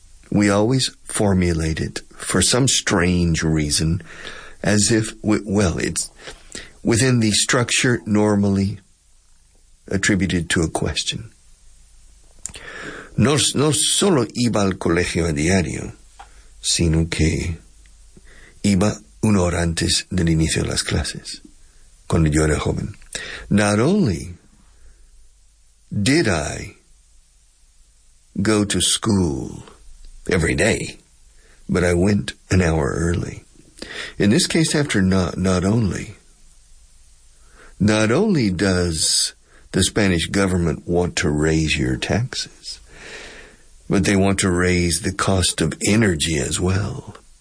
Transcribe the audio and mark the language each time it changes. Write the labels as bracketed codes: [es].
[en] We always formulate it for some strange reason as if, it's within the structure normally attributed to a question. [es] No solo iba al colegio a diario, sino que iba una hora antes del inicio de las clases, cuando yo era joven. [en] Not only did I go to school every day, but I went an hour early. In this case, not only does the Spanish government want to raise your taxes, but they want to raise the cost of energy as well.